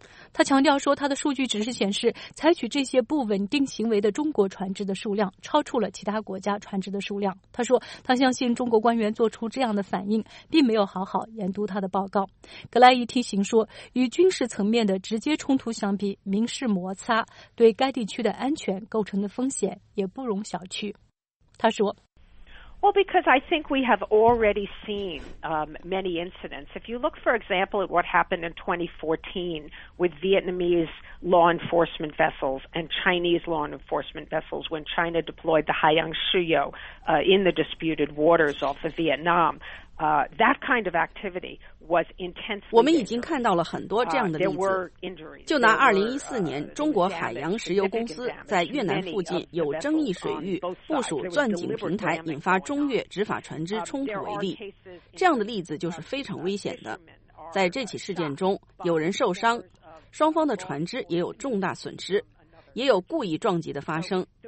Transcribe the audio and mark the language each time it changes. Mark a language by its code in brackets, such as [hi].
[zh] 他强调说，他的数据只是显示采取这些不稳定行为的中国船只的数量超出了其他国家船只的数量。他说他相信中国官员做出这样的反应并没有好好研读他的报告。格莱伊提醒说，与军事层面的直接冲突相比，民事摩擦对该地区的安全构成的风险也不容小觑。他说 [en] Well, because I think we have already seen many incidents. If you look, for example, at what happened in 2014 with Vietnamese law enforcement vessels and Chinese law enforcement vessels when China deployed the Haiyang Shuyo in the disputed waters off of Vietnam, that kind of activity was intensely [zh] 我们已经看到了很多这样的例子。就拿2014年中国海洋石油公司在越南附近有争议水域部署钻井平台引发中越执法船只冲突为例，这样的例子就是非常危险的。在这起事件中有人受伤，双方的船只也有重大损失，也有故意撞击的发生。